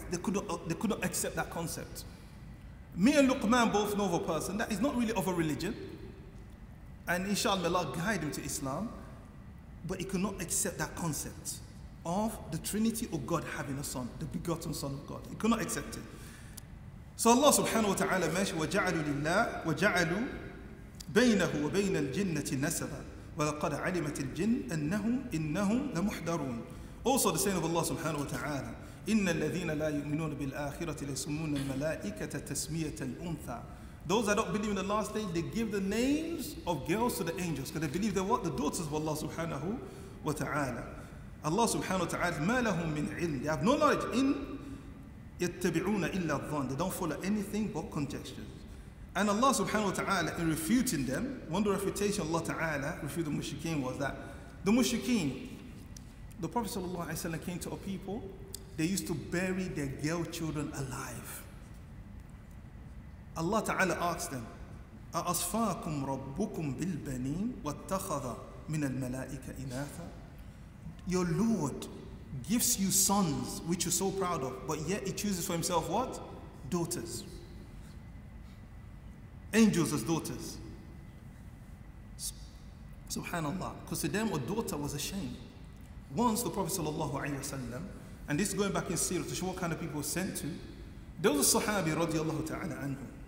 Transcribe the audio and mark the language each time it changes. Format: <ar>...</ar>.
<en>They could not accept that concept. Me and Luqman both know of a person that is not really of a religion. And inshallah, Allah guide him to Islam. But he could not accept that concept of the Trinity of God having a son, the begotten son of God. He could not accept it. So Allah subhanahu wa ta'ala mentioned,</en> <ar>وَجَعَلُوا لِلَّهِ وَجَعَلُوا بَيْنَهُ وَبَيْنَ الْجِنَّةِ نَسَبًا وَلَقَدْ عَلِمَتِ الْجِنَّ أَنَّهُمْ إِنَّهُمْ لَمُحْدَرُونَ.</ar> <en>Also the saying of Allah subhanahu wa ta'ala,</en> <ar>إِنَّ الَّذِينَ لَا يُؤْمِنُونَ بِالْآخِرَةِ لَيْسُمُّونَ الْمَلَائِكَةَ تَسْمِيَةَ الْأُنْثَى.</ar> <en>Those that don't believe in the last day, they give the names of girls to the angels, because they believe they're what? The daughters of Allah subhanahu wa ta'ala. Allah subhanahu wa ta'ala,</en> <ar>مَا لَهُمْ مِنْ عِلْمٍ.</ar> <en>They have no knowledge.</en> <ar>In يَتَّبِعُونَ إِلَّا الظَّنِّ.</ar> <en>They don't follow anything but conjectures. And Allah subhanahu wa ta'ala, in refuting them, one of the refutation Allah ta'ala refuted the mushrikeen was that the mushrikeen, the Prophet sallallahu alayhi wa sallam came to a people, they used to bury their girl children alive. Allah ta'ala asked them,</en> <ar>أَأَصْفَاكُمْ رَبُّكُمْ بِالْبَنِينَ وَاتَّخَذَ مِنَ الْمَلَائِكَ إِنَاثًا.</ar> <en>Your Lord gives you sons, which you're so proud of, but yet he chooses for himself what? Daughters. Angels as daughters. Subhanallah. Because to them, a daughter was a shame. Once the Prophet sallallahu alayhi wa sallam, and this is going back in Seerah to show what kind of people were sent to, there was a Sahabi radiallahu ta'ala anhu.</en>